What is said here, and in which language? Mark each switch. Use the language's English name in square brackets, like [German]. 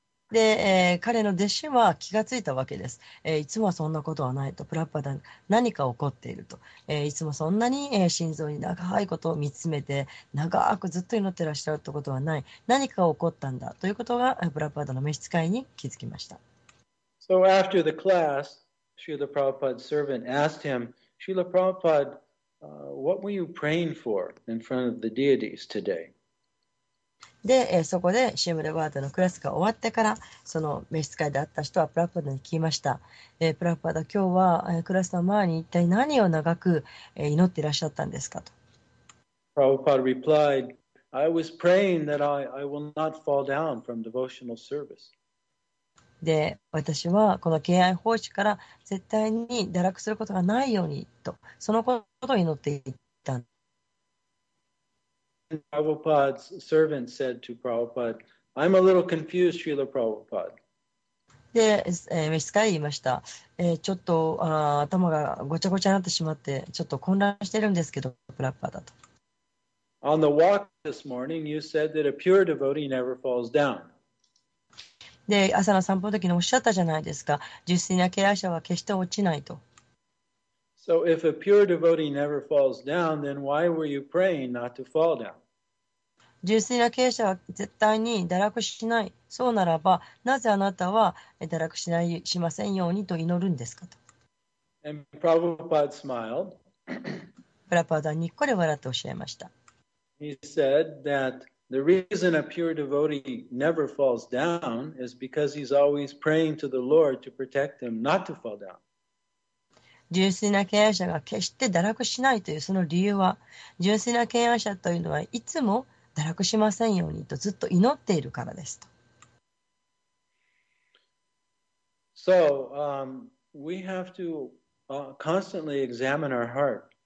[Japanese] で、彼の弟子は気がついたわけです。いつもはそんなことはないと、プラッパダ何か起こっていると。いつもそんなに、心臓に長いことを見つめて、長くずっと祈ってらっしゃるってことはない。何か起こったんだということが、プラッパダの召使いに気づきました。 [English] So after the class, Srila Prabhupada's servant asked him, Srila Prabhupada, what were you praying for in front of the deities today? [Japanese] で、そこでシムレバータのクラスが終わってから、その召使いであった人はプラッパダに聞きました。プラッパダ、今日はクラスの前に一体何を長く祈っていらっしゃったんですかと。 [English] Prabhupada replied, I was praying that I will not fall down from devotional service. [Japanese] で、私はこの敬愛奉仕から絶対に堕落することがないようにと、そのことを祈っていったんです。 [English] Prabhupada's servant said to Prabhupada, I'm a little confused, Srila Prabhupada. [Japanese] で、召使い言いました。ちょっと頭がごちゃごちゃになってしまって、ちょっと混乱してるんですけど、プラッパーだと。 [English] On the walk this morning, you said that a pure devotee never falls down. [Japanese] で、朝の散歩の時におっしゃったじゃないですか、純粋な敬愛者は決して落ちないと。 [English] So if a pure devotee never falls down, then why were you praying not to fall down? [Japanese] 純粋な敬愛者は絶対に堕落しない。そうならば、なぜあなたは堕落しない、しませんようにと祈るんですかと。 [English] And Prabhupada smiled. [Japanese] プラパダにっこり笑っておっしゃいました。 [English] He said that. The reason a pure devotee never falls down is because he's always praying to the Lord to protect him not to fall down. [Japanese] 純粋な敬愛者が決して堕落しないというその理由は、純粋な敬愛者というのはいつも堕落しませんようにとずっと祈っているからですと。 [English] So, we have to constantly examine our heart.